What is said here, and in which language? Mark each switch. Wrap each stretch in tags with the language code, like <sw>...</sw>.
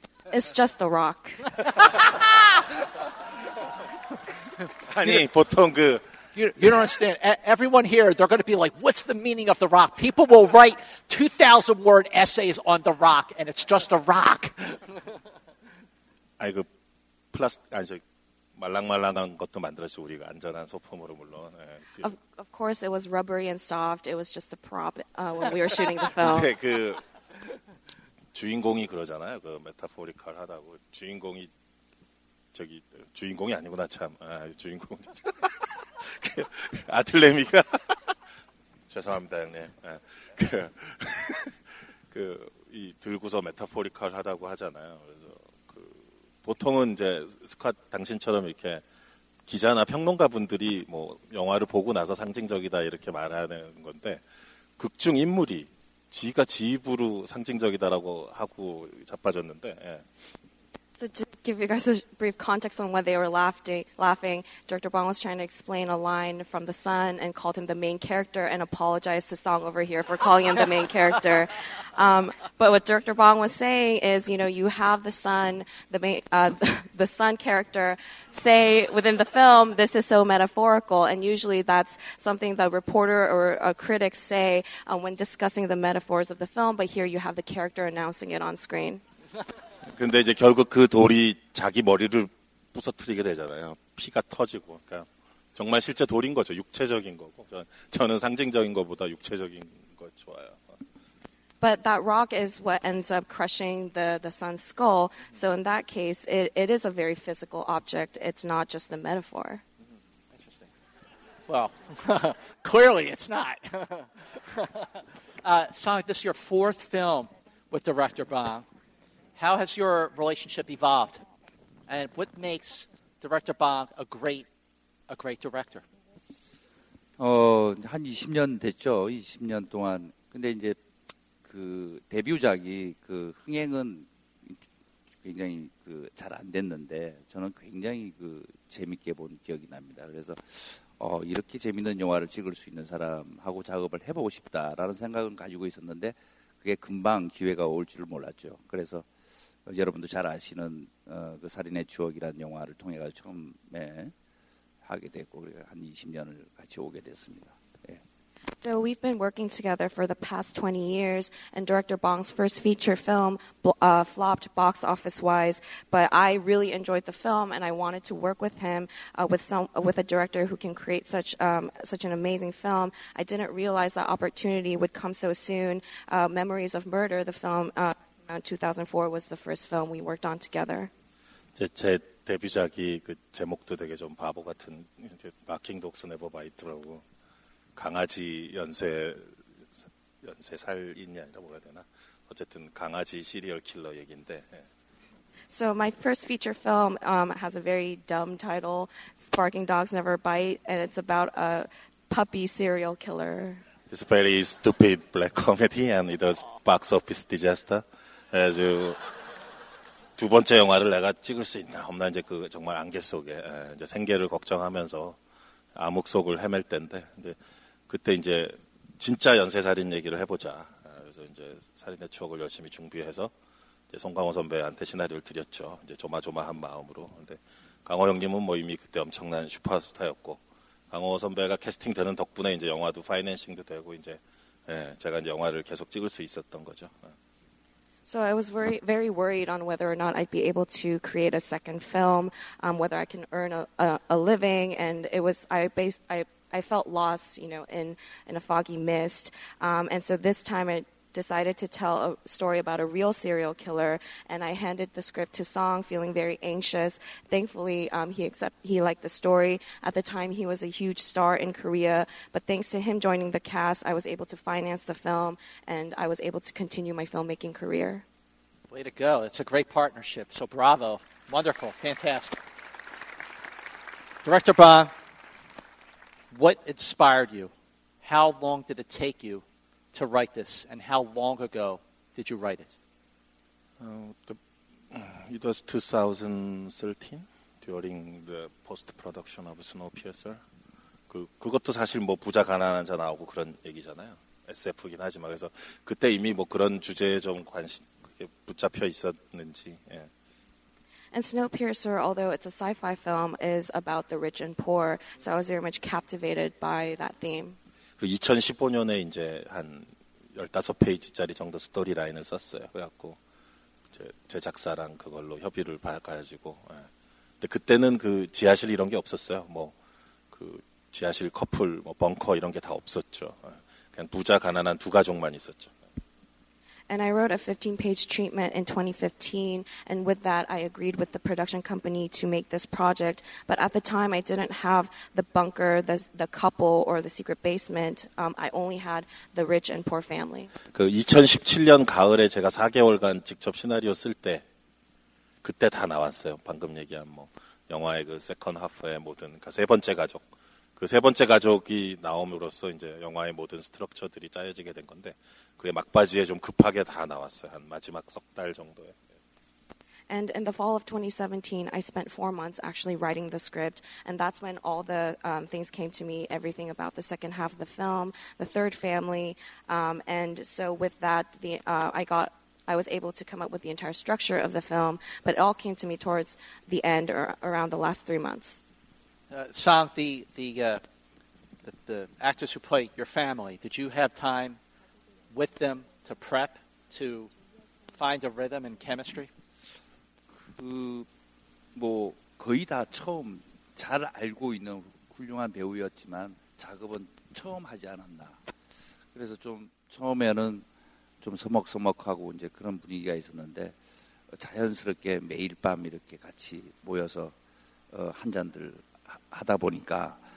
<en>It's just a rock.</en> <ko>아니, 보통 그...</ko> <en>You don't understand. Everyone here, they're going to be like, what's the meaning of the rock? People will write 2,000-word essays on the rock, and it's just a rock.</en> <ko>아니, 그 플라스... 아니, 저... 말랑말랑한 것도 만들었죠 우리가 안전한 소품으로 물론. 예.</ko> <en>Of course, it was rubbery and soft. It was just a prop when we were shooting the film.</en> <ko>네, 그 주인공이 그러잖아요. 그 메타포리컬하다고 주인공이 저기 주인공이 아니구나 참. 아, 주인공 아틀레미가 죄송합니다 형님. 예. 그 이 들고서 메타포리컬하다고 하잖아요. 그래서. 보통은 이제 스콧 당신처럼 이렇게 기자나 평론가 분들이 뭐 영화를 보고 나서 상징적이다 이렇게 말하는 건데 극중 인물이 지가 지 입으로 상징적이다라고 하고 자빠졌는데. 예.</ko> <en>So to give you guys a brief context on why they were laughing, Director Bong was trying to explain a line from The Sun and called him the main character and apologized to Song over here for calling him the main character. But what Director Bong was saying is, you know, you have The Sun, the Sun character, say within the film, this is so metaphorical. And usually that's something the reporter or a critic say when discussing the metaphors of the film, but here you have the character announcing it on screen.</en> <ko>근데 이제 결국 그 돌이 자기 머리를 부서뜨리게 되잖아요. 피가 터지고. 그러니까 정말 실제 돌인 거죠. 육체적인 거고. 저는 상징적인 것보다 육체적인 거 좋아요.</ko> <en>But that rock is what ends up crushing the sun's skull. So in that case, it is a very physical object. It's not just a metaphor. Interesting. Well, clearly it's not. Song, this is your fourth film with director Bong. How has your relationship evolved? And what makes director Bong a great director?</en> <ko>한 20년 됐죠. 20년 동안. 근데 이제 그 데뷔작이 그 흥행은 굉장히 그 잘 안 됐는데 저는 굉장히 그 재밌게 본 기억이 납니다. 그래서 이렇게 재밌는 영화를 찍을 수 있는 사람하고 작업을 해보고 싶다라는 생각은 가지고 있었는데 그게 금방 기회가 올 줄을 몰랐죠. 그래서 여러분도 잘 아시는 그 살인의 추억이라는 영화를 통해서 처음에 하게 됐고 우리가 한 20년을 같이 오게 됐습니다.</ko> <en>So we've been working together for the past 20 years, and director Bong's first feature film flopped box office-wise, but I really enjoyed the film, and I wanted to work with him, with a director who can create such an amazing film. I didn't realize that opportunity would come so soon. Memories of Murder, the film in 2004, was the first film we worked on together.</en> <ko>제 데뷔작이 그 제목도 되게 좀 바보 같은 이제 마킹 독스 네버바이트라고 강아지 연쇄 살인이 아니라 뭐라 해야 되나? 어쨌든 강아지 시리얼 킬러 얘긴데.</ko> <en>So my first feature film has a very dumb title, Barking Dogs Never Bite, and it's about a puppy serial killer. It's a very stupid black comedy, and it was box office disaster.</en> <ko>그래서 두 번째 영화를 내가 찍을 수 있나? 엄마 이제 그 정말 안개 속에 이제 생계를 걱정하면서 암흑 속을 헤맬 때인데, 근데 그때 이제 진짜 연쇄살인 얘기를 해보자. 그래서 이제 살인의 추억을 열심히 준비해서 이제 송강호 선배한테 시나리오를 드렸죠. 이제 조마조마한 마음으로. 근데 강호 형님은 뭐 이미 그때 엄청난 슈퍼스타였고, 강호 선배가 캐스팅되는 덕분에 이제 영화도 파이낸싱도 되고 이제 제가 이제 영화를 계속 찍을 수 있었던 거죠.</ko> <en>So I was very worried on whether or not I'd be able to create a second film, whether I can earn a living, and it was I felt lost, you know, in a foggy mist. And so this time I decided to tell a story about a real serial killer, and I handed the script to Song, feeling very anxious. Thankfully, he liked the story. At the time, he was a huge star in Korea, but thanks to him joining the cast, I was able to finance the film, and I was able to continue my filmmaking career. Way to go. It's a great partnership. So bravo. Wonderful. Fantastic. Director Bong, what inspired you? How long did it take you to write this, and how long ago did you write it? It was 2013 during the post-production of Snowpiercer.</en> <ko>그것도 사실 뭐 부자 가난한 자 나오고 그런 얘기잖아요. SF긴 하지만 그래서 그때 이미 뭐 그런 주제에 좀 관심 그게 붙잡혀 있었는지. 예.</ko> <en>And Snowpiercer, although it's a sci-fi film, is about the rich and poor. So I was very much captivated by that theme.</en> <ko>그리고 2015년에 이제 한 15페이지짜리 정도 스토리 라인을 썼어요. 그래갖고 제 작사랑 그걸로 협의를 받아가지고. 예. 근데 그때는 그 지하실 이런 게 없었어요. 뭐 그 지하실 커플, 뭐 벙커 이런 게 다 없었죠. 예. 그냥 부자 가난한 두 가족만 있었죠.</ko> <en>And I wrote a 15-page treatment in 2015, and with that, I agreed with the production company to make this project. But at the time, I didn't have the bunker, the couple, or the secret basement. I only had the rich and poor family.</en> <ko>그 2017년 가을에 제가 4개월간 직접 시나리오 쓸 때, 그때 다 나왔어요. 방금 얘기한 뭐 영화의 그 세컨 하프의 모든 그 세 번째 가족. 그 세 번째 가족이 나옴으로써 이제 영화의 모든 스트럭처들이 짜여지게 된 건데 그게 막바지에 좀 급하게 다 나왔어요. 한 마지막 석 달 정도에.</ko> <en>And in the fall of 2017, I spent 4 months actually writing the script, and that's when all the things came to me, everything about the second half of the film, the third family, and so with that, I was able to come up with the entire structure of the film, but it all came to me towards the end or around the last 3 months. Song, the actors who played your family, did you have time with them to prep, to find a rhythm and chemistry?</en> <ko>그 뭐 거의 다 처음 잘 알고 있는 훌륭한 배우였지만 작업은 처음 하지 않았나. 그래서 좀 처음에는 좀 서먹서먹하고 이제 그런 분위기가 있었는데 자연스럽게 매일 밤 이렇게 같이 모여서 한 잔들 하다 보니까</ko>